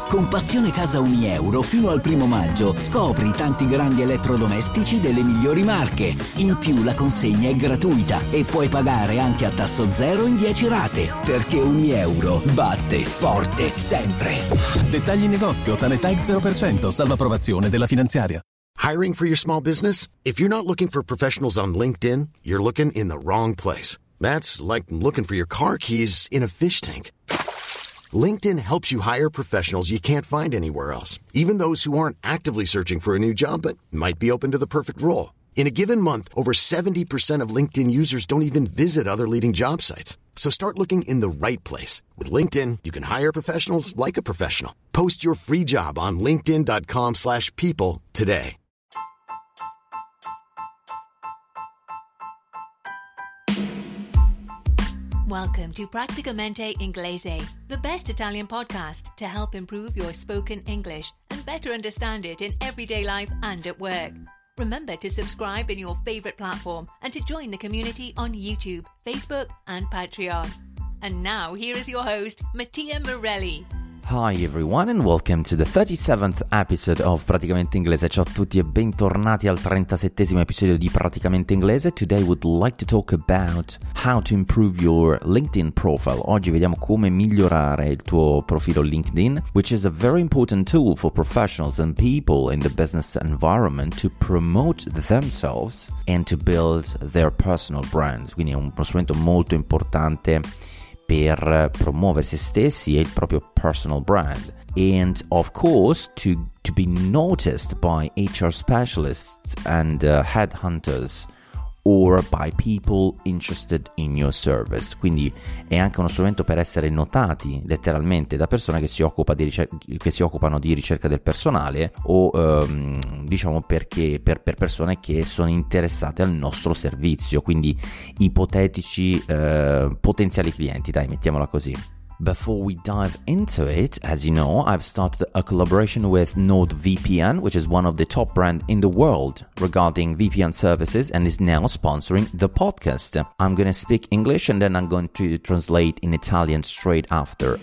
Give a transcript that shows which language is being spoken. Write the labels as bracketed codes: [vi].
[it] Con Passione Casa Uni Euro fino al 1° maggio scopri tanti grandi elettrodomestici delle migliori marche. In più la consegna è gratuita e puoi pagare anche a tasso zero in 10 rate. Perché Uni Euro batte forte sempre. Dettagli negozio, Tanetag 0%, salva approvazione della finanziaria. [en] Hiring for your small business? If you're not looking for professionals on LinkedIn, you're looking in the wrong place. That's like looking for your car keys in a fish tank. LinkedIn helps you hire professionals you can't find anywhere else, even those who aren't actively searching for a new job but might be open to the perfect role. In a given month, over 70% of LinkedIn users don't even visit other leading job sites. So start looking in the right place. With LinkedIn, you can hire professionals like a professional. Post your free job on linkedin.com/people today. Welcome to Practicamente Inglese, the best Italian podcast to help improve your spoken English and better understand it in everyday life and at work. Remember to subscribe in your favorite platform and to join the community on YouTube, Facebook and Patreon. And now here is your host, Mattia Morelli. Hi everyone and welcome to the 37th episode of Praticamente Inglese. [it] Ciao a tutti e bentornati al 37esimo episodio di Praticamente Inglese. [en] Today would like to talk about how to improve your LinkedIn profile. [it] Oggi vediamo come migliorare il tuo profilo LinkedIn, [en] which is a very important tool for professionals and people in the business environment to promote themselves and to build their personal brand. [it] Quindi è uno strumento molto importante per promuovere se stessi e il proprio personal brand. [en] And of course, to be noticed by HR specialists and headhunters or by people interested in your service. [it] Quindi è anche uno strumento per essere notati letteralmente da persone che si occupano di ricerca del personale o diciamo perché per persone che sono interessate al nostro servizio, quindi ipotetici potenziali clienti, dai, mettiamola così. [en] Before we dive into it, as you know, I've started a collaboration with NordVPN, which is one of the top brands in the world regarding VPN services and is now sponsoring the podcast. I'm going to speak English and then I'm going to translate in Italian straight after.